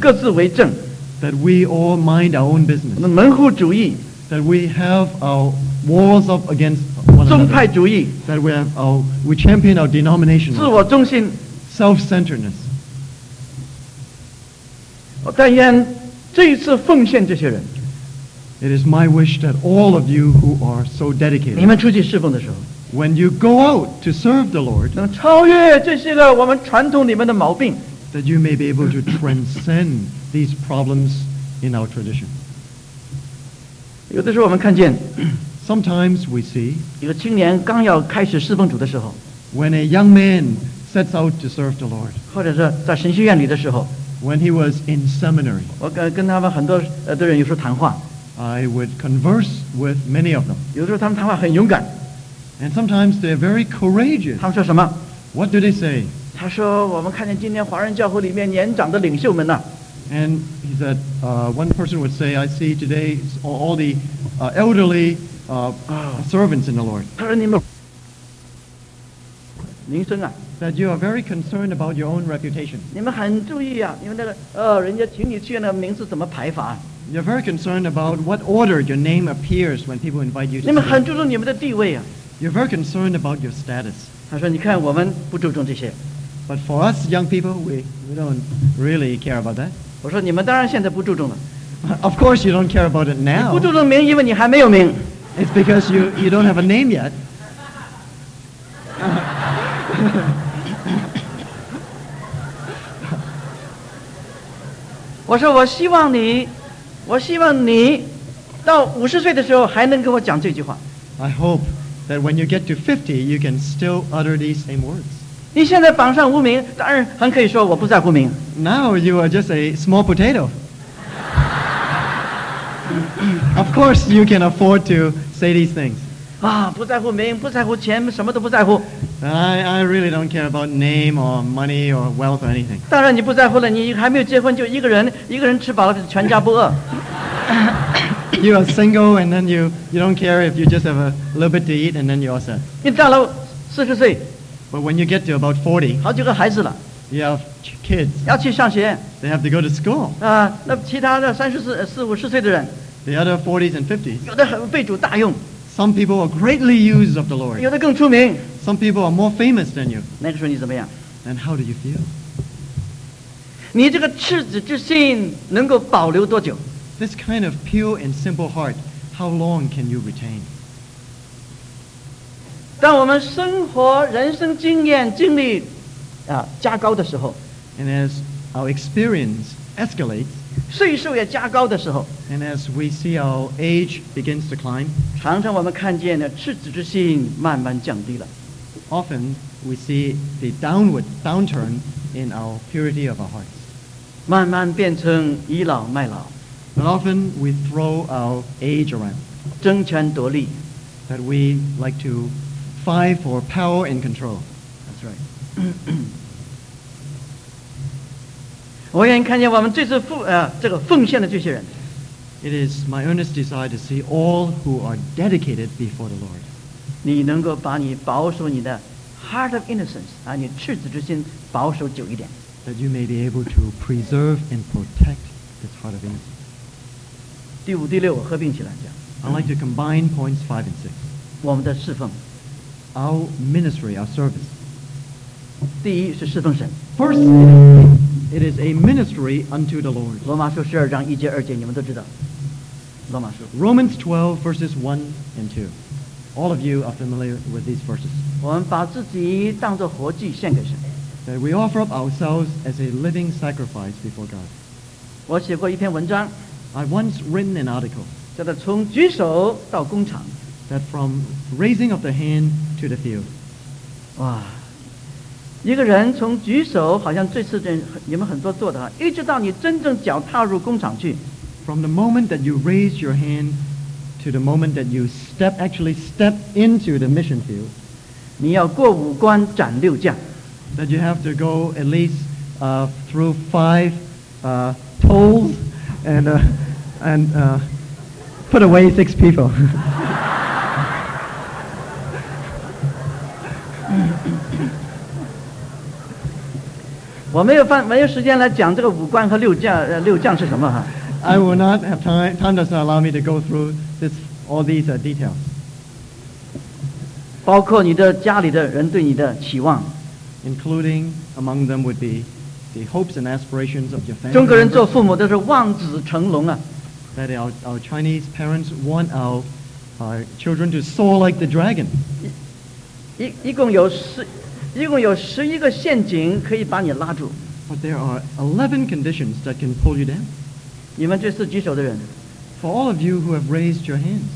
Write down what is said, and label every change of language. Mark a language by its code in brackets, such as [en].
[zh] 各自为政 [en] That we all mind our own business [zh] 我们门户主义 [en] That we have our walls up against one another [zh] 宗派主义 [en] That we have our, we champion our denomination [zh] 自我中心 [en] Self-centeredness [zh] 我但愿这一次奉献这些人 [en] It is my wish that all of you who are so dedicated [zh] 你们出去侍奉的时候 [en] when you go out to serve the Lord [zh] 能超越这些个我们传统里面的毛病 [en] that you may be able to transcend these problems in our tradition [zh] 有的时候我们看见 [en] sometimes we see [zh] 一个青年刚要开始侍奉主的时候 [en] when a young man sets out to serve the Lord [zh] 或者是在神学院里的时候 [en] when he was in seminary [zh] 我跟他们很多的人有时候谈话 [en] I would converse with many of them. [zh] 有时候他们谈话很勇敢 [en] And sometimes they're very courageous. [zh] 他们说什么 [en] What do they say? [zh] 他说我们看见今天华人教会里面年长的领袖们呢 [en] And he said, one person would say, I see today all the elderly servants in the Lord. [zh] 他说你们名声啊 [en] That you are very concerned about your own reputation. [zh] 你们很注意啊你们那个人家请你去那名字怎么排法 [en] You're very concerned about what order your name appears when people invite you to [zh] 你们很注重你们的地位啊。 [en] You're very concerned about your status. [zh] 他说你看我们不注重这些。 [en] But for us young people, we don't really care about that. [zh] 我说你们当然现在不注重了。 [en] Of course you don't care about it now. [zh] 你不注重名因为你还没有名。 [en] It's because you don't have a name yet. [zh] 我说我希望你我希望你到五十岁的时候还能跟我讲这句话。 [en] I hope that when you get to 50, you can still utter these same words. [zh] 你现在榜上无名，当然很可以说我不在乎名。 [en] Now you are just a small potato. Of course you can afford to say these things. [zh] 啊，不在乎名，不在乎钱，什么都不在乎。 [en] I really don't care about name or money or wealth or anything. [zh] 当然你不在乎了，你还没有结婚，就一个人吃饱了，全家不饿。 [en] You are single, and then you don't care if you just have a little bit to eat, and then you're all set. [zh] 你到了四十岁 [en] ，But when you get to about 40, [zh] 好几个孩子了 [en] ，You have kids. [zh] 要去上学 [en] ，They have to go to school. [zh] 那其他的三十四五十岁的人 [en] ，The other 40s and 50s, [zh] 有的很被主大用。 [en] Some people are greatly used of the Lord. [zh] 有的更出名。 [en] Some people are more famous than you. [zh] 那个时候你怎么样？ [en] And how do you feel? [zh] 你这个赤子之心能够保留多久？ [en] This kind of pure and simple heart, how long can you retain? [zh] 当我们生活人生经验经历加高的时候 [en] And as our experience escalates, [zh] 岁数也加高的时候 [en] And as we see our age begins to climb, [zh] 常常我们看见呢赤子之心慢慢降低了。 [en] Often we see the downturn in our purity of our hearts. [zh] 慢慢变成倚老卖老。 [en] But often we throw our age around. [zh] 争权夺利。 [en] That we like to fight for power and control. That's right. [zh] 我愿意看见我们这次这个奉献的这些人。 [en] It is my earnest desire to see all who are dedicated before the Lord. [zh] 你能够把你保守你的 [en] heart of innocence [zh] 啊，你赤子之心保守久一点。 [en] That you may be able to preserve and protect this heart of innocence. [zh] 第五、第六我合并起来讲。 [en] I'd like to combine points 5 and 6. [zh] 我们的侍奉。 [en] Our ministry, our service. [zh] 第一是侍奉神。 [en] First, it is a ministry unto the Lord. [zh] 罗马书十二章一节二节，你们都知道。罗马书。 [en] Romans 12 verses 1 and 2. All of you are familiar with these verses. [zh] 我们把自己当作活祭献给神。 [en] That we offer up ourselves as a living sacrifice before God. [zh] 我写过一篇文章。 [en] I once written an article. [zh] 叫做从举手到工厂。 [en] That from raising of the hand to the field. 哇。 [zh] 一个人从举手，好像这次你们很多做的，一直到你真正脚踏入工厂去。 [en] From the moment that you raise your hand to the moment that you step into the mission field, [zh] 你要过五关斩六将。 [en] That you have to go at least through 5 tolls and put away 6 people. [zh] 我没有时间来讲这个五关和六将是什么哈。 [en] I will not have time. Time does not allow me to go through this all these details. [zh] 包括你的家里的人对你的期望。 [en] Including among them would be the hopes and aspirations of your family. [zh] 中国人做父母都是望子成龙啊。 [en] That our Chinese parents want our children to soar like the dragon. [zh] 一共有十一个陷阱可以把你拉住。 [en] But there are 11 conditions that can pull you down. [zh] 你们这次举手的人。 [en] For all of you who have raised your hands.